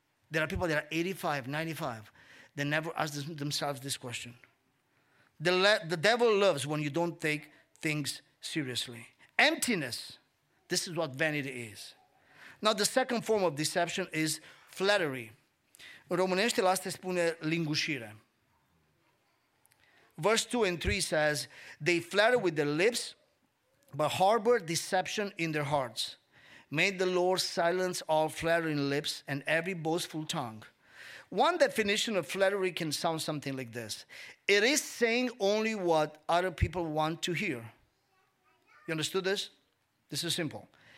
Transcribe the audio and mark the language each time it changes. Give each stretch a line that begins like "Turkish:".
English: There are people that are 85, 95, that never ask themselves this question. The devil loves when you don't take things seriously. Emptiness, this is what vanity is. Now, the second form of deception is flattery.
Romanian: Românește la asta spune lingușire.
English: Verse 2 and 3 says, they flatter with their lips, but harbor deception in their hearts. May the Lord silence all flattering lips and every boastful tongue. One definition of flattery can sound something like this. It is saying only what other people want to hear. You understood this? This is simple.